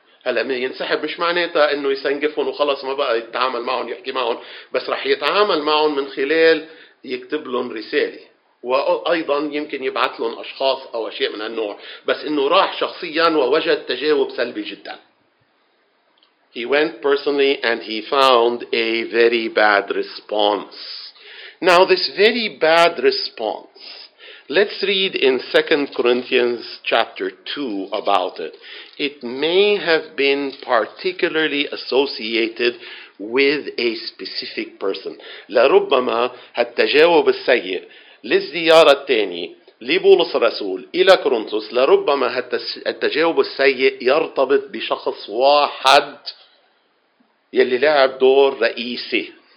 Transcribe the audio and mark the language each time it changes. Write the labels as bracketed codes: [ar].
[ar] هلا من ينسحب مش معناتها انه يسنقفهم وخلص ما بقى يتعامل معهم يحكي معهم، بس رح يتعامل معهم من خلال يكتب لهم رسالة. وأيضا يمكن يبعث لهم أشخاص أو أشياء من النوع، بس إنه راح شخصيا ووجد تجاوب سلبي جدا. [en] He went personally and he found a very bad response. Now this very bad response, let's read in 2 Corinthians chapter 2 about it. It may have been particularly associated with a specific person. [ar] لربما هالتجاوب السيء للزيارة الثانية لبولس الرسول إلى كورنثوس، لربما هالتجاوب السيء يرتبط بشخص واحد يلي لعب دور رئيسي.